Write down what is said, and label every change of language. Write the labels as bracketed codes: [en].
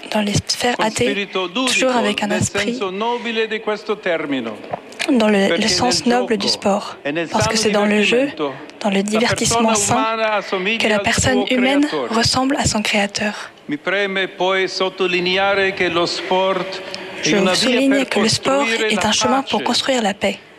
[fr] dans les sphères athées, toujours avec un esprit, dans le sens noble du sport, parce que c'est dans le jeu, dans le divertissement sain, que la personne humaine ressemble à son créateur. [it] Mi preme poi sottolineare che lo sport [fr] Je vous souligne que le sport est un chemin pour construire la paix.